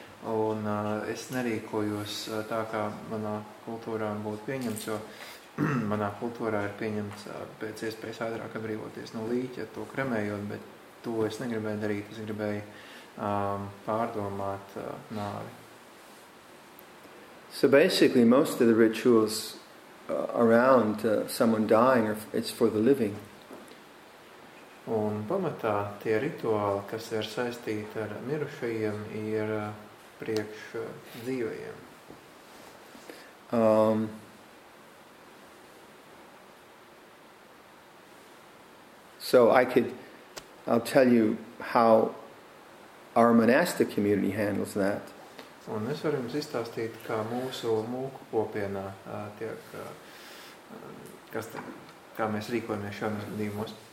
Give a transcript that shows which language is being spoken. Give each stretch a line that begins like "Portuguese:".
Latvian: Un es nerīkojos tā, kā manā kultūrā būtu pieņemts, jo manā kultūrā ir pieņemts pēc iespējas ātrāk atbrīvoties no līķa, to kremējot, bet to es negribēju darīt. Es gribēju pārdomāt nāvi.
English: So basically, most of the rituals around someone dying, it's for the living.
Latvian: Un pamatā tie rituāli, kas ir saistīti ar mirušajiem, ir priekš dzīvajiem.
English: So I'll tell you how our monastic community handles that.
Latvian: Un es varu jums izstāstīt, kā mūsu mūku kopienā tiek, kas te, kā mēs rīkojamies šādos gadījumos.